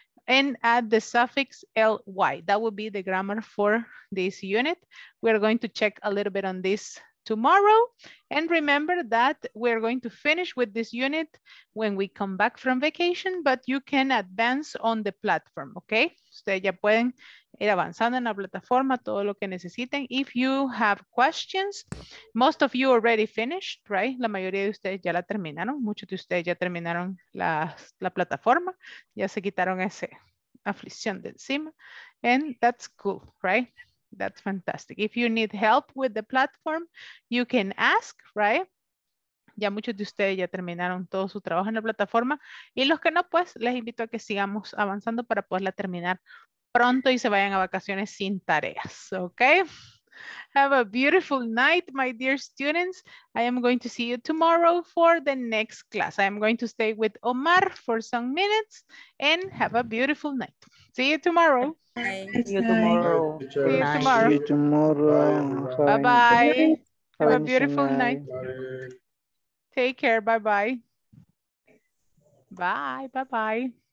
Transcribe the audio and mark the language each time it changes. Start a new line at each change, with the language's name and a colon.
English: and add the suffix ly. That would be the grammar for this unit. We're going to check a little bit on this tomorrow. And remember that we're going to finish with this unit when we come back from vacation, but you can advance on the platform, okay?
Spanish: Ustedes ya pueden ir avanzando en la plataforma, todo lo que necesiten.
English: If you have questions, most of you already finished, right?
Spanish: La mayoría de ustedes ya la terminaron. Muchos de ustedes ya terminaron la plataforma. Ya se quitaron esa aflicción de encima.
English: And that's cool, right? That's fantastic. If you need help with the platform, you can ask, right?
Spanish: Ya muchos de ustedes ya terminaron todo su trabajo en la plataforma. Y los que no, pues, les invito a que sigamos avanzando para poderla terminar pronto y se vayan a vacaciones sin tareas, okay?
English: Have a beautiful night, my dear students. I am going to see you tomorrow for the next class. I am going to stay with Omar for some minutes and have a beautiful night. See you tomorrow. See you tomorrow. See you tomorrow. See you tomorrow. Bye-bye. Have a beautiful night. Bye. Take care. Bye-bye. Bye. Bye-bye.